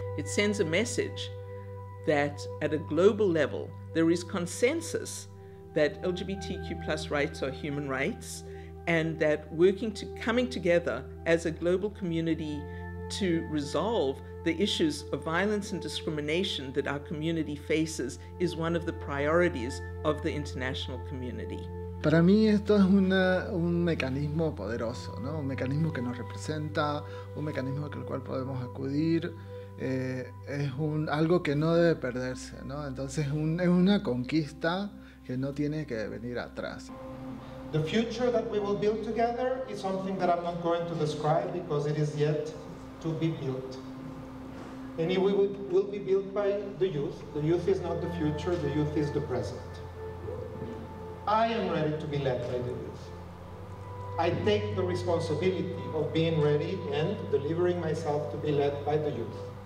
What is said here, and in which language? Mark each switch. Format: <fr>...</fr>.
<en>It sends a message that at a global level, there is consensus that LGBTQ plus rights are human rights, and that coming together as a global community to resolve the issues of violence and discrimination that our community faces is one of the priorities of the international community.</en> <es>Para mí esto es un mecanismo poderoso, ¿no? Un mecanismo que nos representa, un mecanismo al cual podemos acudir. Es un algo que no debe perderse, ¿no? Entonces es una conquista que no tiene que venir atrás.</es> <en>The future that we will build together is something that I'm not going to describe because it is yet to be built. And it will be built by the youth. The youth is not the future, the youth is the present. I am ready to be led by the youth. I take the responsibility of being ready and delivering myself to be led by the youth.</en>